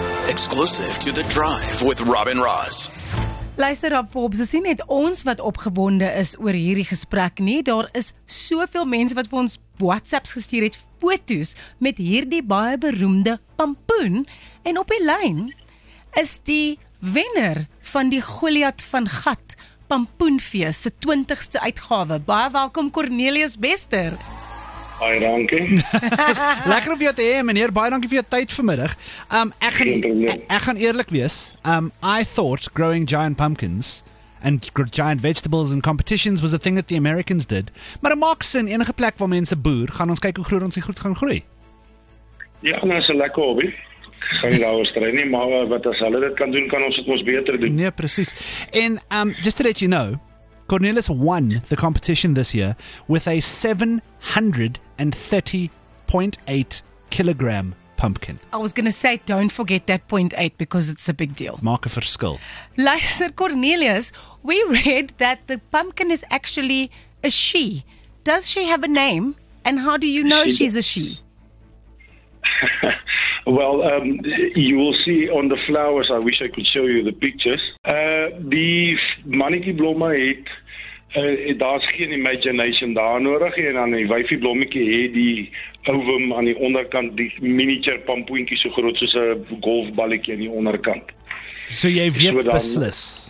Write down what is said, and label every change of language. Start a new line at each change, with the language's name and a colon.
English: Exclusive to The Drive with Rob and Roz.
Afrikaans: Luister op, Forbes, is nie net ons wat opgewonde is oor hierdie gesprek nie. Daar is soveel mense wat vir ons WhatsApps gestuur het, foto's met hierdie baie beroemde pampoen. En op die lyn is die wenner van die Goliath van Gat pampoenfees se 20ste uitgawe. Baie welkom Cornelius Bester. Baie dankie. Lekker om jou te hê, meneer. Baie dankie vir jou tyd vanmiddag. Ek gaan eerlik wees.
English: I thought growing giant pumpkins and giant vegetables and competitions was a thing that the Americans did.
Afrikaans: Maar in Markson, enige plek waar mense boer, gaan ons kyk hoe groot ons die groot gaan groei. Ja, nou is 'n lekker hobby. Gaan nie daar oorstry nie, maar wat as hulle dit kan doen, kan ons dit mos beter doen. Nee, precies.
English: En just to let you know, Cornelius won the competition this year with a 730.8 kilogram pumpkin. I was going to say, don't forget that 0.8 because it's a big deal.
Afrikaans: Maak 'n verskil.
English: Luister, Cornelius, we read that the pumpkin is actually a she. Does she have a name? And how do you know she's a she? Well, you will see on the flowers. I wish I could show you the pictures.
Afrikaans: The mannetjie blomme het daar's geen imagination daar nodig en dan die wyfie blommetjie het die ovum aan die onderkant, die miniature pampoentjie so groot soos 'n golfballetjie aan die onderkant. So jy weet so dan, beslis.